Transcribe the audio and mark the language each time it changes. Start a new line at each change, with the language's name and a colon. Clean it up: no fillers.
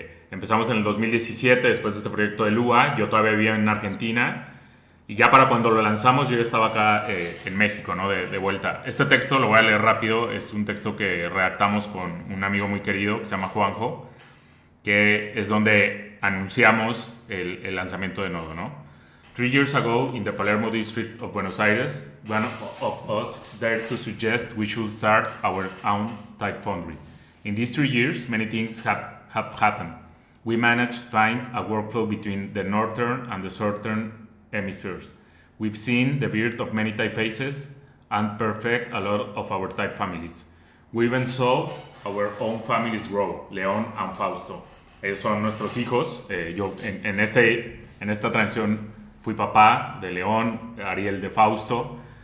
Spanish: Empezamos en el 2017, después de este proyecto de Lua. Yo todavía vivía en Argentina. Y ya para cuando lo lanzamos, yo ya estaba acá en México, ¿no? De vuelta. Este texto lo voy a leer rápido. Es un texto que redactamos con un amigo muy querido que se llama Juanjo, que es donde anunciamos el lanzamiento de Nodo, ¿no?
English: 3 years ago, in the Palermo district of Buenos Aires, one of us dared to suggest we should start our own type foundry. In these 3 years, many things have happened. We managed to find a workflow between the northern and the southern hemispheres. We've seen the birth of many typefaces and perfect a lot of our type families. We even saw our own families grow, León and Fausto.
Spanish: Ellos son nuestros hijos. Yo en esta transición fui papá de León, Ariel de Fausto.